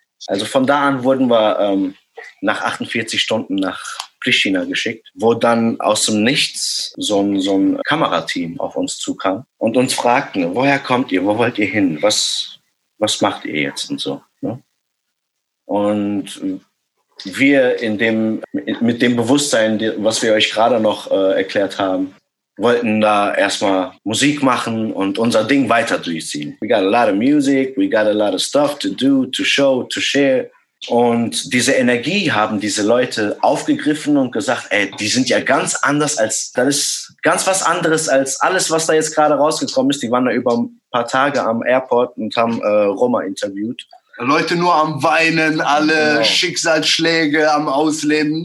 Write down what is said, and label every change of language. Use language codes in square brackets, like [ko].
[de] Also von da an wurden wir nach 48 Stunden nach Pristina geschickt, wo dann aus dem Nichts so ein Kamerateam auf uns zukam und uns fragten, woher kommt ihr, wo wollt ihr hin, was macht ihr jetzt und so, ne? Und wir mit dem Bewusstsein, was wir euch gerade noch erklärt haben, wollten da erstmal Musik machen und unser Ding weiter durchziehen. [en] We got a lot of music, we got a lot of stuff to do, to show, to share. [de] Und diese Energie haben diese Leute aufgegriffen und gesagt, ey, die sind ja ganz anders als, das ist ganz was anderes als alles, was da jetzt gerade rausgekommen ist. Die waren da über ein paar Tage am Airport und haben Roma interviewt. Leute nur am Weinen, alle genau. Schicksalsschläge am Ausleben.